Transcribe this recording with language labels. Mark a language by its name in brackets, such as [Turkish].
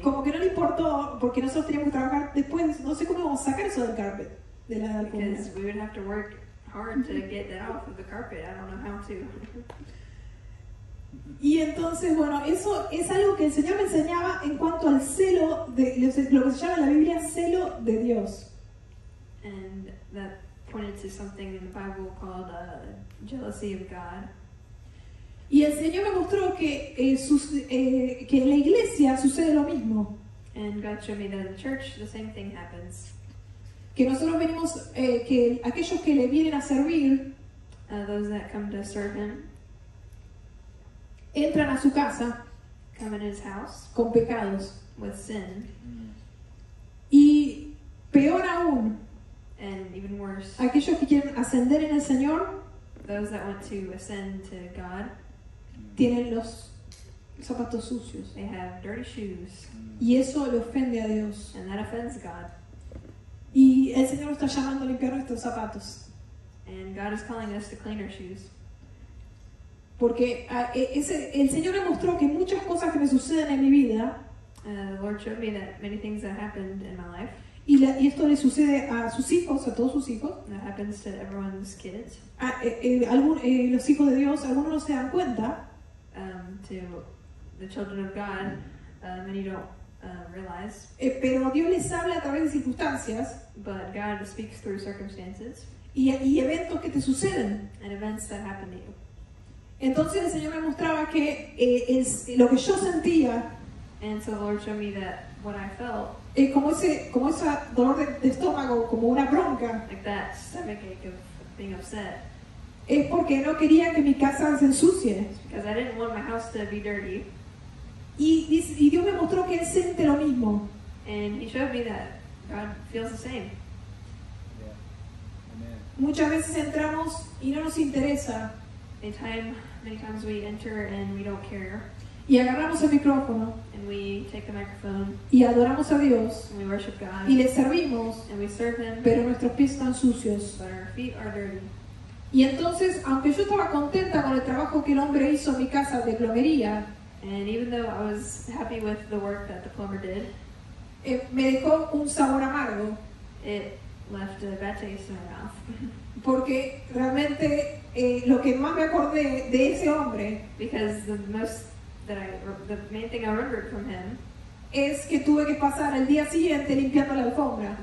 [Spanish] Como que no le importó porque nosotros teníamos que trabajar después. No sé cómo vamos a sacar eso del carpet de la alfombra. [English] Because we would have to work hard to get that off of the carpet. I don't know how to. [Spanish] Y entonces, bueno, eso es algo que el Señor me enseñaba en cuanto al celo de lo que se llama en la Biblia celo de Dios. [English] And that pointed to something in the Bible called jealousy of God. [Spanish] Y el Señor me mostró que que en la iglesia sucede lo mismo. [English] And God showed me that in the church the same thing happens. [Spanish] Que nosotros venimos que aquellos que le vienen a servir, [English] those that come to serve him, [Spanish] entran a su casa, [English] come in his house, [Spanish] con pecados, [English] with sin. [Spanish] Y peor aún, [English] and even worse, [Spanish] aquellos que quieren ascender en el Señor, [English] those that want to ascend to God, [Spanish] tienen los zapatos sucios. [English] They have dirty shoes. [Spanish] Y eso le ofende a Dios. [English] And that offends God. [Spanish] Y el Señor está llamando a limpiar nuestros zapatos. [English] And God is calling us to clean our shoes. [Spanish] Porque el Señor me mostró que muchas cosas que me suceden en mi vida. [English] The Lord showed me that many things that happened in my life. [Spanish] Y esto le sucede a sus hijos, a todos sus hijos. [English] That happens to everyone's kids. [Spanish] Los hijos de Dios, algunos no se dan cuenta. [English] To the children of God, many don't realize. [Spanish] Pero Dios les habla a través de circunstancias. [English] But God speaks through circumstances. [Spanish] Y eventos que te suceden. [English] And events that happen to you. [Spanish] Entonces el Señor me mostraba que es lo que yo sentía. [English] And so the Lord showed me that what I felt. [Spanish] Es como ese dolor de estómago, como una bronca. [English] Like that stomach ache of being upset. [Spanish] Es porque no quería que mi casa se ensucie. [English] Because I didn't want my house to be dirty. [Spanish] Y Dios me mostró que él siente lo mismo. [English] And he showed me that God feels the same. [Spanish] Yeah. Muchas veces entramos y no nos interesa. [English] Many times we enter and we don't care. [Spanish] Y agarramos el micrófono. [English] And we take the microphone. [Spanish] Y adoramos a Dios. [English] And we worship God. [Spanish] Y le servimos. [English] And we serve him. [Spanish] Pero nuestros pies están sucios. [English] But our feet are dirty. [Spanish] Y entonces, aunque yo estaba contenta con el trabajo que el hombre hizo en mi casa de plomería, [English] and even though I was happy with the work that the plumber did, [Spanish] me dejó un sabor amargo. [English] It left a bad taste in my mouth. [Spanish] Porque realmente lo que más me acordé de ese hombre, [English] because the main thing I remembered from him, [Spanish] es que tuve que pasar el día siguiente limpiando la alfombra,